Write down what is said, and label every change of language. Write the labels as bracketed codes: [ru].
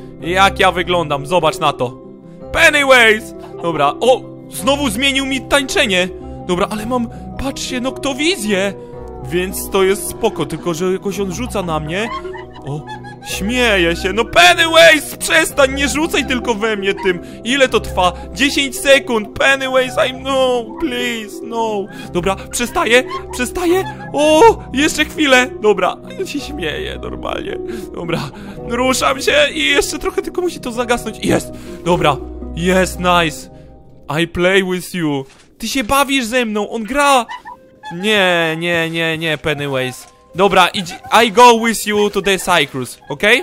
[pl] Jak ja wyglądam, zobacz na to. Pennywise! Dobra, o, znowu zmienił mi tańczenie. Dobra, ale mam, patrzcie, noktowizję. Więc to jest spoko, tylko że jakoś on rzuca na mnie. O, śmieje się. No Pennywise, przestań, nie rzucaj tylko we mnie tym. Ile to trwa? 10 sekund. [en] Pennywise, I'm no, please, no. [pl] Dobra, przestaje, przestaje. O, jeszcze chwilę. Dobra, ja się śmieję normalnie. Dobra, ruszam się i jeszcze trochę tylko musi to zagasnąć. Jest, dobra, jest, [en] nice. I play with you. [pl] Ty się bawisz ze mną, on gra. Nie, nie, nie, nie, Pennywise. Dobra, [en] I go with you to the Cyclus, okej?